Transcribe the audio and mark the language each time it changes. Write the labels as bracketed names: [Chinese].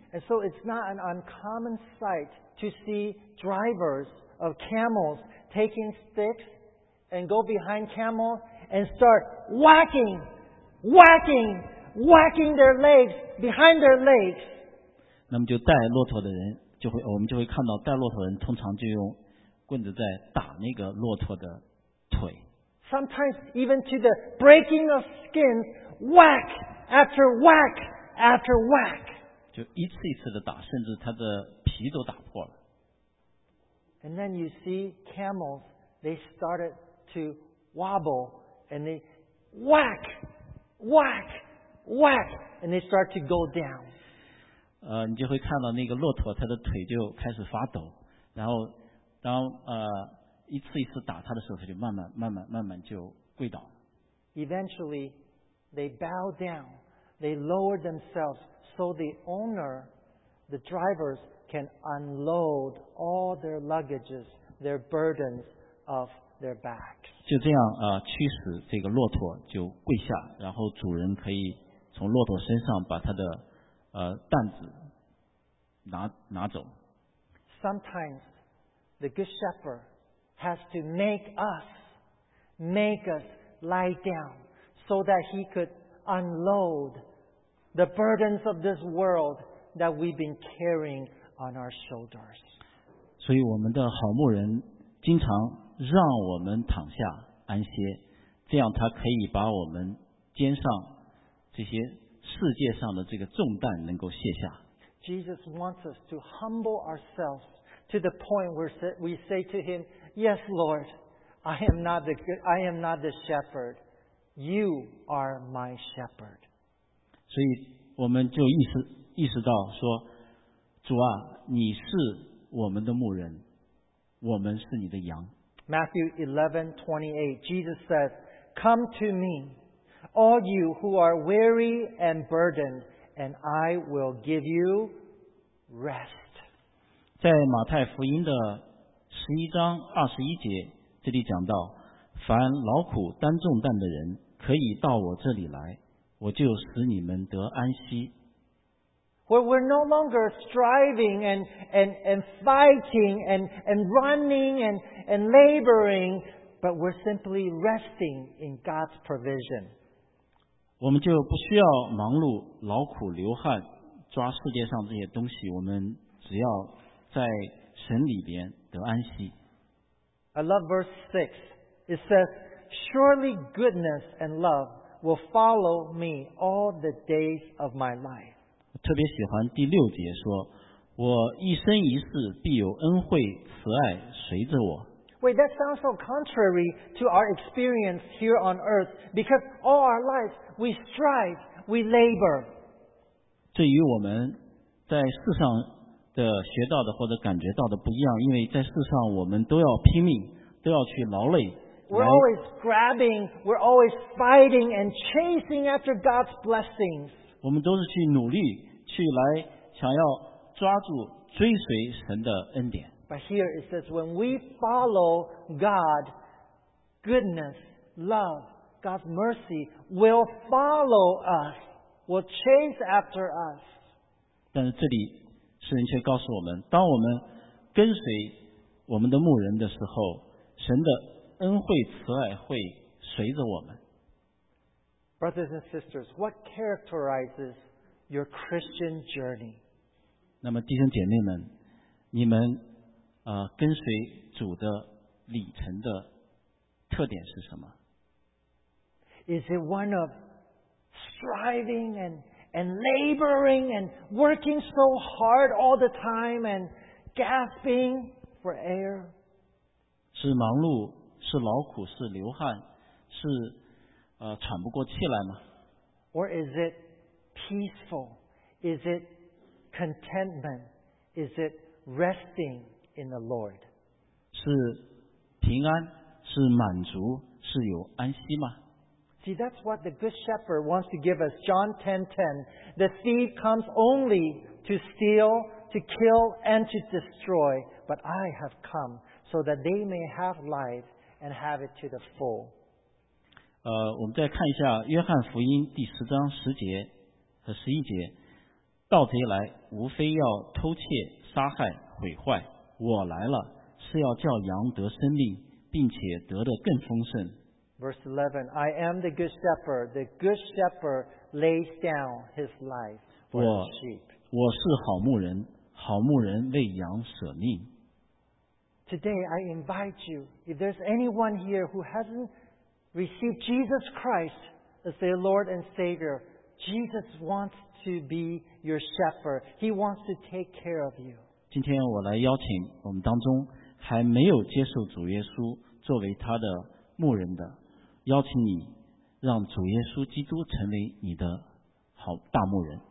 [English] And so it's not an uncommon sight to see drivers of camels taking sticks and go behind camels and start whacking their legs behind their legs. [Chinese] 那么就带骆驼的人就会，我们就会看到带骆驼人通常就用棍子在打那个骆驼的腿。 [English] Sometimes even to the breaking of skin, whack after whack after whack. [Chinese] 就一次一次的打，甚至他的皮都打破了。 [English] And then you see camels, they started to wobble and they whack, whack, whack, and they start to go down. [Chinese] 你就会看到那个骆驼，它的腿就开始发抖，然后当一次一次打它的时候，它就慢慢慢慢慢慢就跪倒。 [English] Eventually, they bow down They lower themselves so the owner, the drivers, can unload all their luggages, their burdens off their backs. [Chinese] 就这样，驱使这个骆驼就跪下，然后主人可以从骆驼身上把他的担子拿走。 [English] Sometimes the good shepherd has to make us lie down so that he could unload the burdens of this world that we've been carrying on our shoulders. [Chinese] 所以我们的好牧人经常让我们躺下安歇，这样他可以把我们肩上这些世界上的这个重担能够卸下。 [English] Jesus wants us to humble ourselves to the point where we say to him, "Yes, Lord, I am not the shepherd. You are my shepherd." [Chinese] 所以我们就意识到说，主啊，你是我们的牧人，我们是你的羊。 [English] Matthew 11:28, Jesus says, "Come to me, all you who are weary and burdened, and I will give you rest." [Chinese] 在马太福音的11:21，这里讲到，凡劳苦担重担的人，可以到我这里来，我就使你们得安息。 [English] Where we're no longer striving and fighting and running and laboring, but we're simply resting in God's provision. [Chinese] 我们就不需要忙碌劳苦流汗抓世界上这些东西，我们只要在神里边得安息。 [English] I love verse 6. It says, "Surely goodness and love will follow me all the days of my life." [Chinese] 我特别喜欢第六节说，我一生一世必有恩惠慈爱随着我。 [English] Wait, that sounds so contrary to our experience here on earth, because all our lives we strive, we labor. [Chinese] 这与我们在世上的学到的或者感觉到的不一样，因为在世上我们都要拼命，都要去劳累。 [English] We're always grabbing, we're always fighting and chasing after God's blessings. [Chinese] 我们都是去努力，去来想要抓住、追随神的恩典。 [English] But here it says, when we follow God, goodness, love, God's mercy will follow us, will chase after us. [Chinese] 但是这里诗人却告诉我们，当我们跟随我们的牧人的时候，神的恩惠慈爱会随着我们。 [English] Brothers and sisters, what characterizes your Christian journey? [Chinese] 那么弟兄姐妹们，你们跟随主的里程的特点是什么？ [English] Is it one of striving and laboring and working so hard all the time and gasping for air? [Chinese] 是忙碌，是劳苦，是流汗，是喘不过气来吗？ [English] Or is it peaceful? Is it contentment? Is it resting in the Lord? [Chinese] 是平安，是满足，是有安息吗？ [English] See, that's what the good shepherd wants to give us. John 10:10, the thief comes only to steal, to kill, and to destroy, but I have come so that they may have life and have it to the full. [Chinese] 我们再看一下约翰福音第10:10和11，盗贼来无非要偷窃、杀害、毁坏，我来了是要叫羊得生命，并且得的更丰盛。 [English] Verse 11, I am the good shepherd. The good shepherd lays down his life for his sheep. [Chinese] 我是好牧人，好牧人为羊舍命。 [English] Today I invite you, if there's anyone here who hasn't received Jesus Christ as their Lord and Savior, Jesus wants to be your shepherd. He wants to take care of you. [Chinese] 今天我来邀请我们当中还没有接受主耶稣作为他的牧人的，邀请你让主耶稣基督成为你的好大牧人。